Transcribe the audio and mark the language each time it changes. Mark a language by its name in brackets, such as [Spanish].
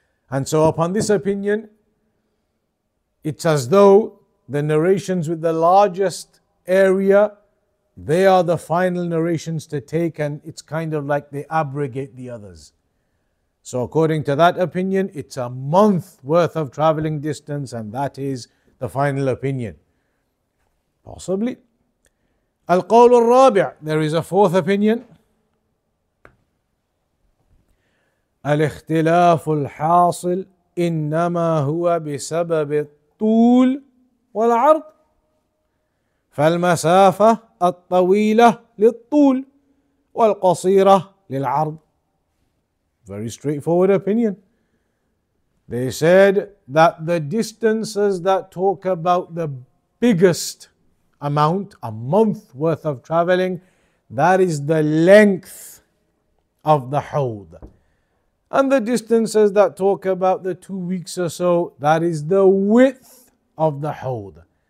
[English] And so upon this opinion, it's as though the narrations with the largest area, they are the final narrations to take, and it's kind of like they abrogate the others. So according to that opinion, it's a month worth of traveling distance, and that is the final opinion. Possibly. [Arabic] Al-Qawl al-Rabi', [English] there is a fourth opinion. [Arabic] Al-Ikhtilaf al-Hasil innama huwa bisabab طول والعرض فالمسافة الطويلة للطول والقصيرة للعرض. [English] Very straightforward opinion. They said that the distances that talk about the biggest amount, a month worth of traveling, That is the length of the Ḥawḍ. And the distances that talk about the 2 weeks or so, that is the width of the Ḥawḍ.